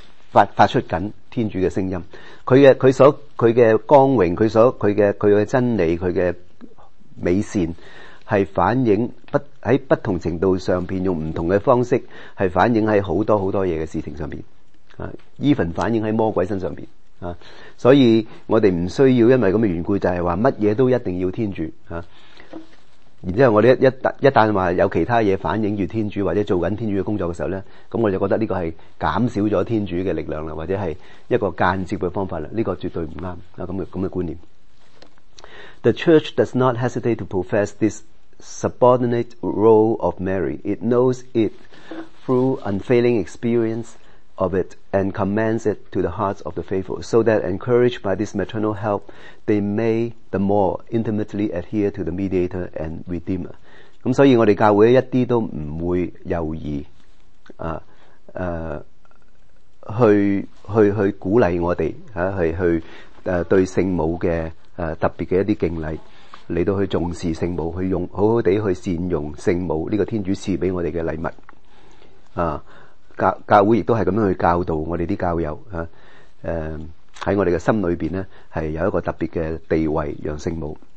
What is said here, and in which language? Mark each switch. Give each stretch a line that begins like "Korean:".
Chinese: 发出紧天主的声音，他的光荣，他的真理，他的美善，是反映在不同程度上面，用不同的方式是反映在很多很多东西的事情上面、啊、even 反映在魔鬼身上面、啊、所以我们不需要因为这样的缘故，就是说什么都一定要天主、啊、然后我们一旦说有其他东西反映着天主，或者做着天主的工作的时候呢，那我就觉得这个是减少了天主的力量，或者是一个间接的方法，这个绝对不对、啊、这样的观念。
English: The church does not hesitate to profess this subordinate role of Mary. It knows it through unfailing experience of it and commends it to the hearts of the faithful, so that encouraged by this maternal help, they may the more intimately adhere to the mediator and redeemer.
Chinese: 所以我们教会一点都不会犹豫、去鼓励我们、啊、去、对圣母的特别的一些敬礼，来到去重视圣母，去用好好地去善用圣母这个天主赐给我们的礼物、啊、教会也是这样去教导我们的教友、啊、在我们的心里面呢是有一个特别的地位让圣母，